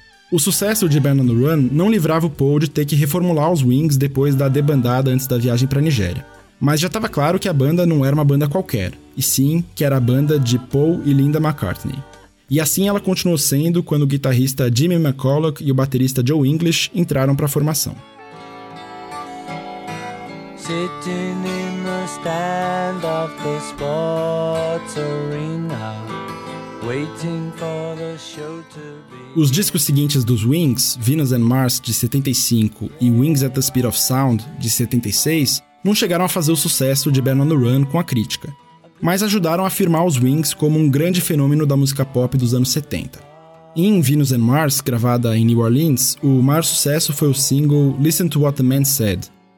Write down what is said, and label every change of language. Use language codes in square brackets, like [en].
[pt] O sucesso de Band on the Run não livrava o Paul de ter que reformular os Wings depois da debandada antes da viagem para a Nigéria. Mas já estava claro que a banda não era uma banda qualquer, e sim que era a banda de Paul e Linda McCartney. E assim ela continuou sendo quando o guitarrista Jimmy McCulloch e o baterista Joe English entraram para a formação. [en] Sitting in the stand of the sports arena, waiting for the show to be... [pt] Os discos seguintes dos Wings, Venus and Mars, de 75, e Wings at the Speed of Sound, de 76, não chegaram a fazer o sucesso de Band on the Run com a crítica, mas ajudaram a firmar os Wings como um grande fenômeno da música pop dos anos 70. Em Venus and Mars, gravada em New Orleans, o maior sucesso foi o single Listen to What the Man Said.